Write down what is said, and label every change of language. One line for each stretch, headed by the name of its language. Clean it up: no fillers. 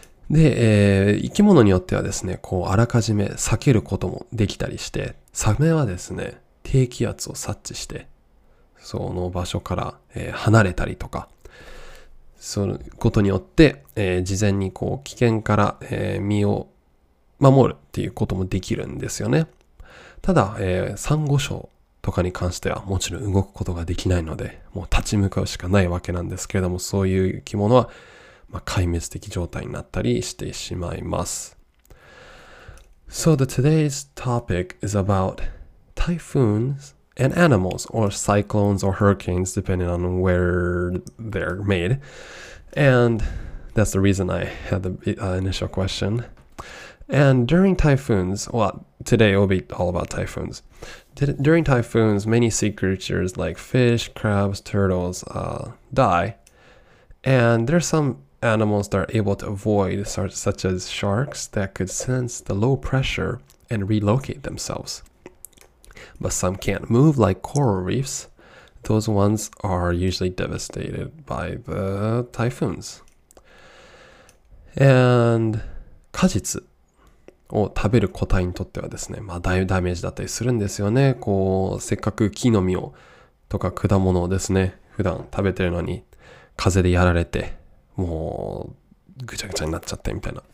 Japanese: で、生き物によってはですね、こう、あらかじめ避けることもできたりして、サメはですね、低気圧を察知して、その場所から、離れたりとか、そのことによって、事前にこう、危険から、身を守るっていうこともできるんですよね。ただ、サンゴ礁とかに関してはもちろん動くことができないので、もう立ち向かうしかないわけなんですけれども、そういう生き物は、まあ、壊滅的状態になったりしてしまいます。
English: So the today's topic is about typhoons and animals, or cyclones or hurricanes, depending on where they're made. And that's the reason I had the initial question. And during typhoons, well, today will be all about typhoons. During typhoons, many sea creatures like fish, crabs, turtles, die. And there are some animals that are able to avoid, such as sharks, that could sense the low pressure and relocate themselves. But some can't move, like coral reefs. Those ones are usually devastated by the typhoons.
Japanese: And 果実を食べる個体にとってはですね、まあ、ダメージだったりするんですよね。こう、せっかく木の実をとか果物をですね、普段食べてるのに風でやられて、もうぐちゃぐちゃになっちゃってみたいな。